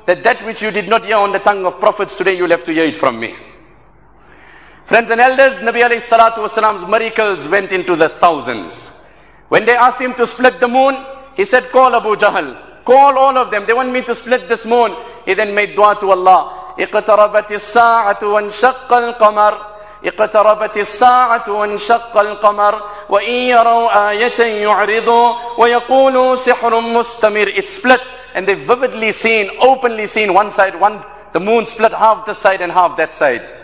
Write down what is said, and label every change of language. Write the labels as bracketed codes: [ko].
[en] That which you did not hear on the tongue of prophets today, you'll have to hear it from me. Friends and elders, Nabi alayhi salatu wasalam's miracles went into the thousands. When they asked him to split the moon, he said, call Abu Jahl. Call all of them. They want me to split this moon. He then made dua to Allah. [ar] اِقْتَرَبَتِ السَّاعَةُ وَانْشَقَّ الْقَمَرِ اقتربت الساعة وانشق القمر وإن يروا آية يعرضوا ويقولوا سحر مستمر. [en] It split and they vividly seen, openly seen one side, the moon split half this side and half that side.